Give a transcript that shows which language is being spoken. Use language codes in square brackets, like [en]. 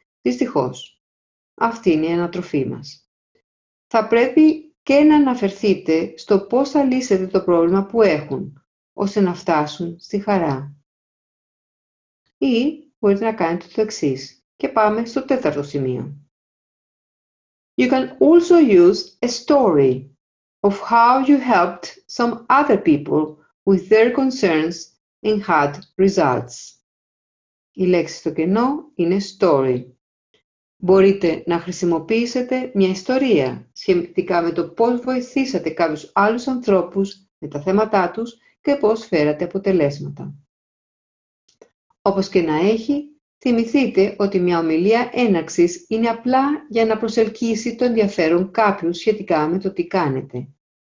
[el] Δυστυχώς, αυτή είναι η ανατροφή μας. Θα πρέπει και να αναφερθείτε στο πώς θα λύσετε το πρόβλημα που έχουν, ώστε να φτάσουν στη χαρά. Ή μπορείτε να κάνετε το εξής. Και πάμε στο τέταρτο σημείο. [en] You can also use a story of how you helped some other people with their concerns and had results. [el] Η λέξη στο κενό είναι story. Μπορείτε να χρησιμοποιήσετε μια ιστορία σχετικά με το πώς βοηθήσατε κάποιους άλλους ανθρώπους με τα θέματά τους και πώς φέρατε αποτελέσματα. Όπως και να έχει, θυμηθείτε ότι μια ομιλία έναρξης είναι απλά για να προσελκύσει το ενδιαφέρον κάποιου σχετικά με το τι κάνετε.